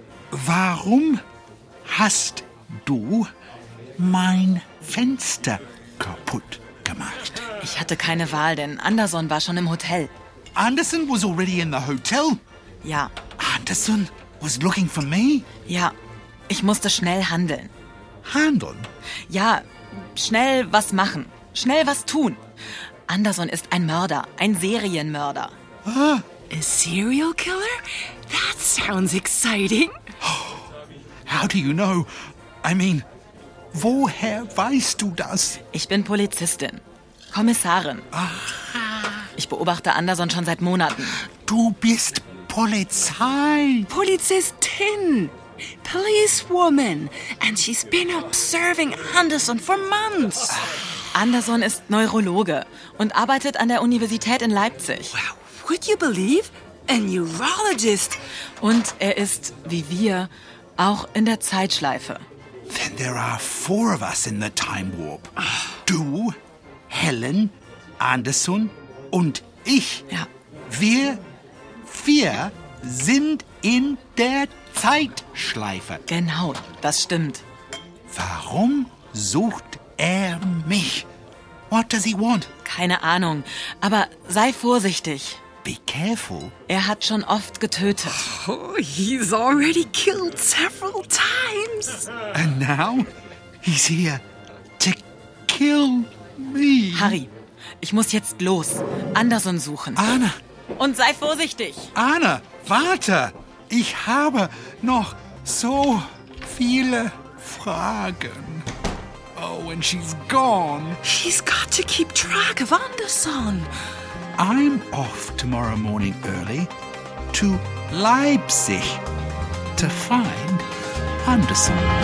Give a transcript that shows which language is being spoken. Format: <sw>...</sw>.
<de>Warum hast du mein Fenster kaputt gemacht? Ich hatte keine Wahl, denn Anderson war schon im Hotel.</de> <en>Anderson was already in the hotel?</en> <de>Ja.</de> <en>Anderson was looking for me?</en> <de>Ja, ich musste schnell handeln. Handeln? Ja, schnell was machen, schnell was tun. Anderson ist ein Mörder, ein Serienmörder.</de> <en>A serial killer? That sounds exciting. How do you know? I mean,</en> <de>woher weißt du das? Ich bin Polizistin, Kommissarin. Ich beobachte Anderson schon seit Monaten. Du bist Polizei. Polizistin.</de> <en>Policewoman. And she's been observing Anderson for months.</en> <de>Anderson ist Neurologe und arbeitet an der Universität in Leipzig.</de> <en>Wow. Would you believe? A neurologist.</en> <de>Und er ist, wie wir, auch in der Zeitschleife.</de> <en>Then there are four of us in the time warp.</en> <de>Du, Helen, Anderson und ich. Ja. Wir vier sind in der Zeitschleife. Genau, das stimmt. Warum sucht er mich?</de> <en>What does he want?</en> <de>Keine Ahnung, aber sei vorsichtig.</de> <en>Be careful.</en> <de>Er hat schon oft getötet.</de> <en>Oh, he's already killed several times. And now he's here to kill me.</en> <de>Harry, ich muss jetzt los. Anderson suchen. Anna. Und sei vorsichtig. Anna, warte. Ich habe noch so viele Fragen.</de> <en>Oh, and she's gone. She's got to keep track of Anderson. I'm off tomorrow morning early to Leipzig to find Anderson.</en>